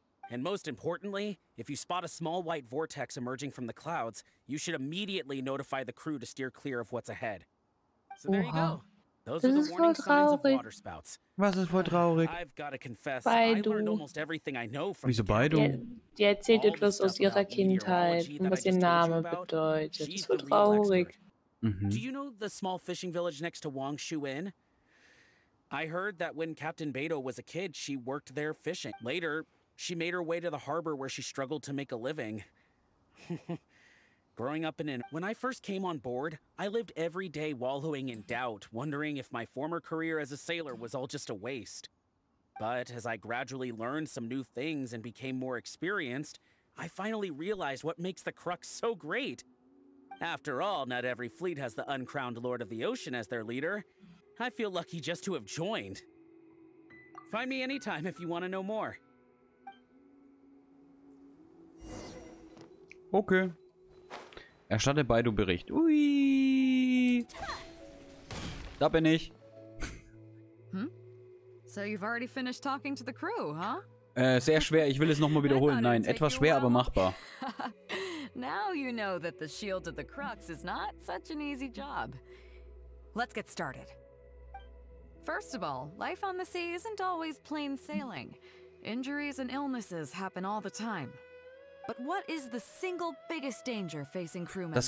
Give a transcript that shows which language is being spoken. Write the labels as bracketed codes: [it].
[en] And most importantly, if you spot a small white vortex emerging from the clouds, you should immediately notify the crew to steer clear of what's ahead. So there you go. Those are the warning signs of water spouts. [de] Was ist voll traurig? [en] I've got to confess, I learned almost everything I know from [de] Wieso Baidu? Die erzählt etwas aus ihrer Kindheit und was ihr Name bedeutet. Das ist voll traurig. [en] Do you know the small fishing village next to Wangshu Inn? I heard that when Captain Beto was a kid, she worked there fishing. Later, she made her way to the harbor where she struggled to make a living. Growing up in an... When I first came on board, I lived every day wallowing in doubt, wondering if my former career as a sailor was all just a waste. But as I gradually learned some new things and became more experienced, I finally realized what makes the Crux so great. After all, not every fleet has the uncrowned Lord of the Ocean as their leader. I feel lucky just to have joined. Find me anytime if you want to know more. Okay. [de] Erstatte Baidu-Bericht. Ui! Da bin ich. [en] So you've already finished talking to the crew, huh? [de] Sehr schwer, ich will es nochmal wiederholen. Nein, etwas schwer, aber machbar. [en] Now you know that the shield of the Crux is not such an easy job. Let's get started. First of all, life on the sea isn't always plain sailing. Injuries and illnesses happen all the time. But what is the single biggest danger facing crew members?